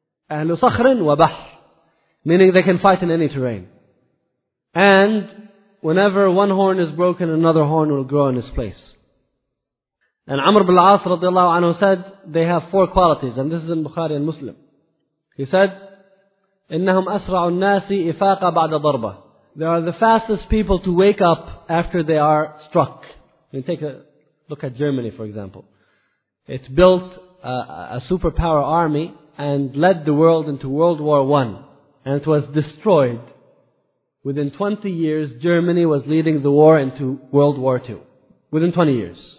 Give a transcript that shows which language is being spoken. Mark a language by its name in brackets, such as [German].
[Arabic] أَهْلُ صَخْرٍ وَبَحْرٍ. [English] Meaning they can fight in any terrain. And whenever one horn is broken, another horn will grow in its place. And Amr ibn al-As radiallahu anhu said, they have four qualities. And this is in Bukhari and Muslim. He said, [Arabic] إِنَّهُمْ أَسْرَعُ النَّاسِ إِفَاقَ بَعْدَ ضَرْبَةً. [English] They are the fastest people to wake up after they are struck. I mean, take a look at Germany, for example. It built a superpower army and led the world into World War I. And it was destroyed. Within 20 years, Germany was leading the war into World War II. Within 20 years.